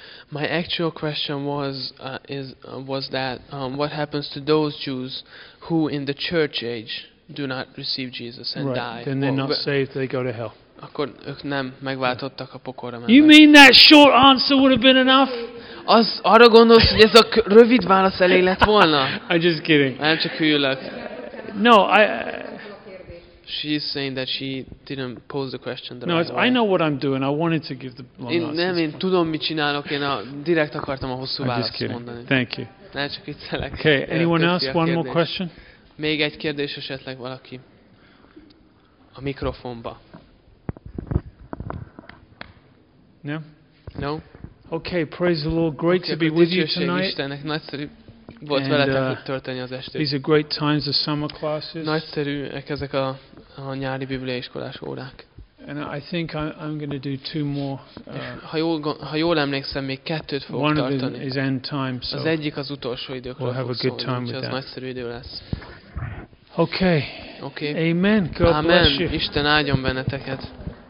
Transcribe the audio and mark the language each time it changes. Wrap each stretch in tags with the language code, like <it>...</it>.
<en>My actual question was that what happens to those Jews who in the church age do not receive Jesus and right, die? Right, then they're not saved, they go to hell.</en> <hu>Akkor ők nem megváltottak a pokorra.</hu> <en>You mean that short answer would have been enough?</en> <hu>Az arra gondolsz, hogy ez a rövid válasz elég lett volna?</hu> <en>I'm just kidding.</en> <hu>Nem csak hülyülök.</hu> <en>No, I. She's saying that she didn't pose the question. The no, right I know what I'm doing. I wanted to give the long answer.</en> <hu>Nem, én tudom, mit csinálok. Én direkt akartam a hosszú választ mondani.</hu> <en>Thank you.</en> <hu>Nem csak viccelek.</hu> <en>Okay, anyone else? One more question?</en> <hu>Még egy kérdés esetleg valaki a mikrofonba.</hu> <en>No. No. Okay, praise the Lord. Great to be with you tonight.</en> <hu>Istennek, nagyszerű volt veletek tölteni az estét.</hu> <en>These are great times of summer classes.</en> <hu>Nagyszerűek ezek a nyári bibliaiskolás órák.</hu> <en>And I think I'm going to do two more.</en> <hu>Ha jól emlékszem, még kettőt fogok</hu> <en>one</en> <hu>tartani.</hu> <en>One of them is end time. So</en> <hu>az egyik az utolsó időkről.</hu> <en>We'll have a good time</en> <hu>szólni,</hu> <en>with that.</en> <hu>Nagyszerű idő lesz.</hu> <en>Okay. Okay. Amen. God Amen. Bless you.</en> <hu>Isten áldjon benneteket.</hu>